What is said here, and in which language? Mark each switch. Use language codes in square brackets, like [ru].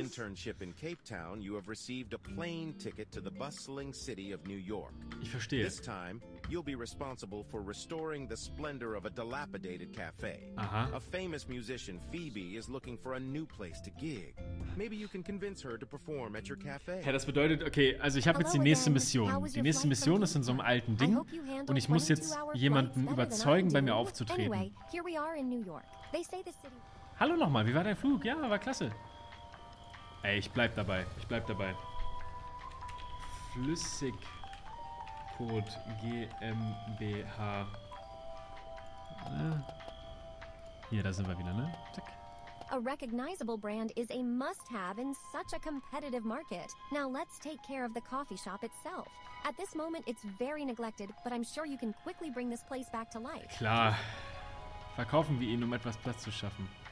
[en] Internship in Cape Town, you have received a plane ticket to the bustling city of New York. [de] Ich verstehe. [en] This time, you'll be responsible for restoring the splendor of a dilapidated cafe. [de] Aha. [en] A famous musician, Phoebe, is looking for a new place to gig. Maybe you can convince her to perform at your cafe. [de] Ja, das bedeutet, okay, also ich habe jetzt die nächste Mission. Die nächste Mission ist in so einem alten Ding und ich muss jetzt jemanden überzeugen, bei mir aufzutreten. [en] Anyway, here we are in New York. They say the city... [de] Hallo nochmal, wie war dein Flug? Ja, war klasse. Ey, ich bleib dabei. Flüssigkot GmbH. Hier, da sind wir wieder, ne? Zack. [en] A recognizable brand is a must-have in such a competitive market. Now let's take care of the coffee shop itself. At this moment it's very neglected, but I'm sure you can quickly bring this place back to life. [de] Klar. Verkaufen wir ihn, um etwas Platz zu schaffen.